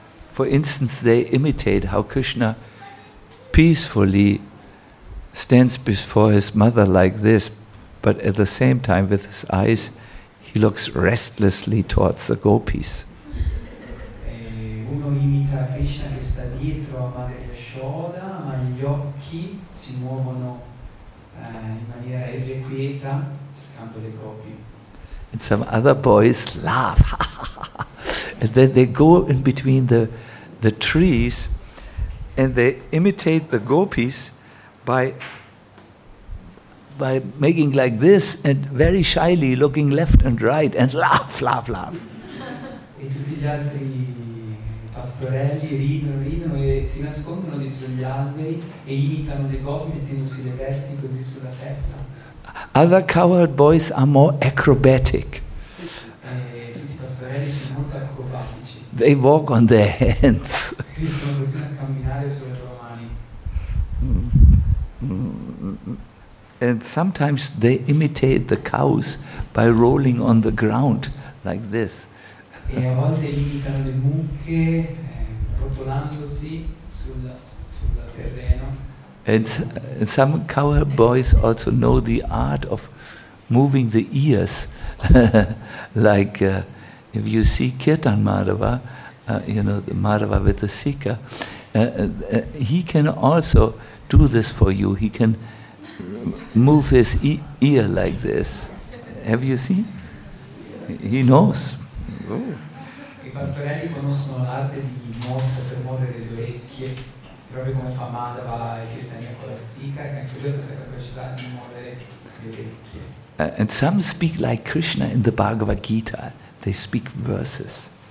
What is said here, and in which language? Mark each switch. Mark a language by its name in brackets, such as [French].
[English] For instance, they imitate how Krishna peacefully stands before his mother like this, but at the same time with his eyes he looks restlessly towards the gopis. [Italian] Uno imita Krishna che sta dietro a Madre Yashoda, ma gli occhi si muovono in maniera irrequieta cercando le gopi. [English] And some other boys laugh. And then they go in between the trees and they imitate the gopis by making like this and very shyly looking left and right and laugh, laugh, laugh. [Italian] E tutti gli altri pastorelli ridono e si nascondono dietro gli alberi e imitano le gopi mettendosi le vesti così sulla testa. [English] Other cowherd boys are more acrobatic. [Italian] Tutti i pastorelli sono molto acrobatici. [English] They walk on their hands. [Italian] Sono così a camminare sulle loro mani. [English] And sometimes they imitate the cows by rolling on the ground like this. [Italian] E a volte imitano le mucche rotolandosi sulla terreno. [English] And some cowherd boys also know the art of moving the ears, like if you see Kirtan Madhava, you know, the Madhava with the sika, he can also do this for you. He can move his ear like this. Have you seen? He knows. [Italian] I pastorelli conoscono l'arte di mozza per muovere le orecchie, proprio come fa Madhava e Kirtania con la sika, che anche lui ha questa capacità di muovere le orecchie. [English] And some speak like Krishna in the Bhagavad Gita. They speak verses.